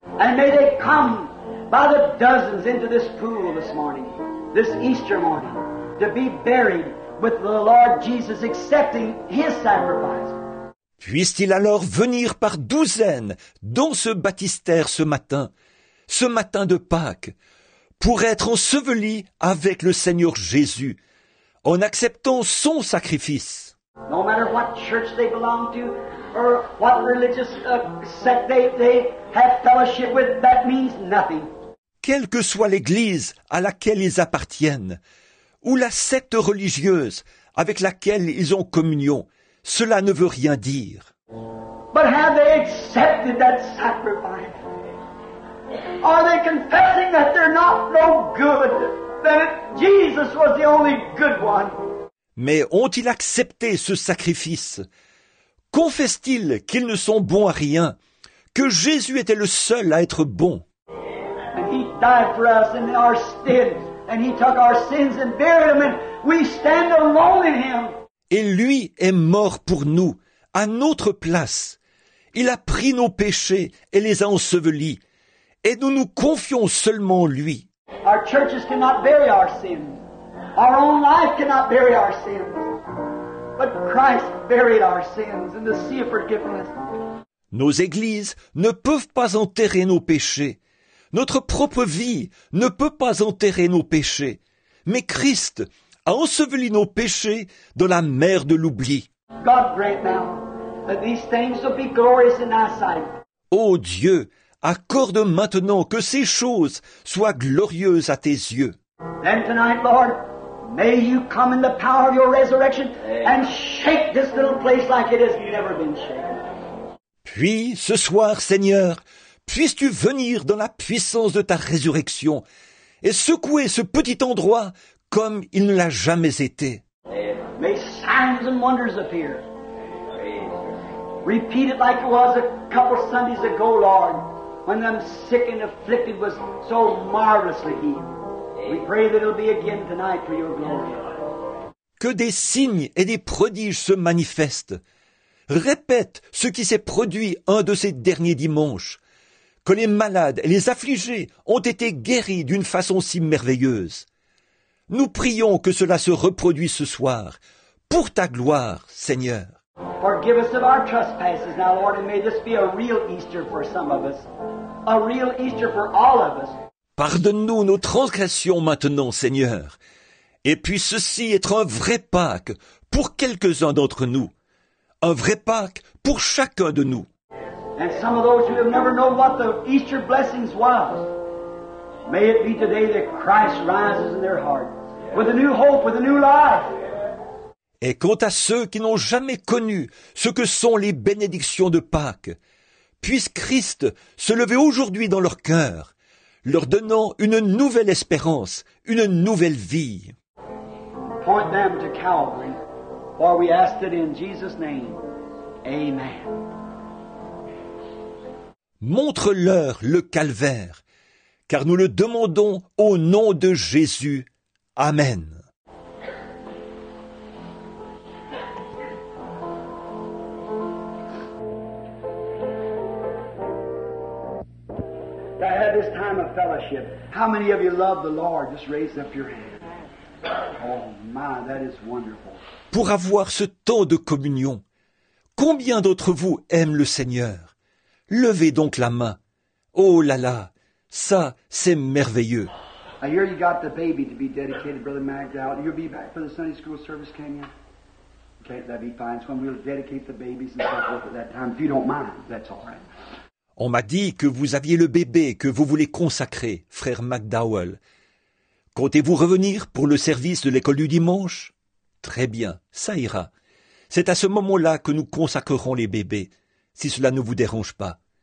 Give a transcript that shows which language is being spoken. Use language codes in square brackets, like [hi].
[en] And may they come by the dozens into this pool this morning, this Easter morning, to be buried with the Lord Jesus accepting His sacrifice. [fr] Puisse-t-il alors venir par douzaines dans ce baptistère ce matin de Pâques, pour être enseveli avec le Seigneur Jésus, en acceptant son sacrifice. [en] No matter what church they belong to, or what religious sect they have fellowship with, that means nothing. [fr] quelle que soit l'Église à laquelle ils appartiennent, ou la secte religieuse avec laquelle ils ont communion, cela ne veut rien dire. [en] But have they accepted that sacrifice? Are they confessing that they're not no good, that Jesus was the only good one? [fr] Mais ont-ils accepté ce sacrifice? Confessent-ils qu'ils ne sont bons à rien, que Jésus était le seul à être bon? [en] And he died for us in our stead, and he took our sins and buried them, and we stand alone in him. [fr] Et lui est mort pour nous, à notre place. Il a pris nos péchés et les a ensevelis. Et nous nous confions seulement en lui. [en] Our churches cannot bury our sins. Our own life cannot bury our sins. But Christ buried our sins in the sea of forgiveness. [fr] Nos églises ne peuvent pas enterrer nos péchés. Notre propre vie ne peut pas enterrer nos péchés. Mais Christ a enseveli nos péchés dans la mer de l'oubli. [en] God grant now that these things will be glorious in thy sight. [fr] Ô Dieu, accorde maintenant que ces choses soient glorieuses à tes yeux. [en] Then tonight, Lord, may you come in the power of your resurrection and shake this little place like it has never been shaken. [fr] Puis, ce soir, Seigneur, puisses-tu venir dans la puissance de ta résurrection et secouer ce petit endroit comme il ne l'a jamais été. [en] May signs and wonders appear. Repeat it like it was a couple Sundays ago, Lord, when them sick and afflicted was so marvelously healed. We pray that it'll be again tonight for your glory. [fr] Que des signes et des prodiges se manifestent. Répète ce qui s'est produit un de ces derniers dimanches, que les malades et les affligés ont été guéris d'une façon si merveilleuse. Nous prions que cela se reproduise ce soir, pour ta gloire, Seigneur. [en] Forgive us of our trespasses now, Lord, and may this be a real Easter for some of us, a real Easter for all of us. [fr] Pardonne-nous nos transgressions maintenant, Seigneur, et puisse ceci être un vrai Pâques pour quelques-uns d'entre nous, un vrai Pâques pour chacun de nous. [en] And some of those who have never known what the Easter blessings was, may it be today that Christ rises in their heart with a new hope, with a new life. [fr] Et quant à ceux qui n'ont jamais connu ce que sont les bénédictions de Pâques, puisse Christ se lever aujourd'hui dans leur cœur, leur donnant une nouvelle espérance, une nouvelle vie. [en] Point them to Calvary, for we ask it in Jesus' name. Amen. [fr] Montre-leur le calvaire, car nous le demandons au nom de Jésus. Amen. [en] I had this time of fellowship. How many of you love the Lord? Just raise up your hand. Oh my, that is wonderful. [fr] Pour avoir ce temps de communion, combien d'entre vous aiment le Seigneur? Levez donc la main. Oh là là, ça, c'est merveilleux. [en] I hear you got the baby to be dedicated, Brother Magdalene. You'll be back for the Sunday school service, can you? Okay, that'd be fine. So we'll dedicate the babies and so forth at that time. If you don't mind, that's all right. [fr] On m'a dit que vous aviez le bébé que vous voulez consacrer, frère McDowell. Comptez-vous revenir pour le service de l'école du dimanche? Très bien, ça ira. C'est à ce moment-là que nous consacrerons les bébés, si cela ne vous dérange pas.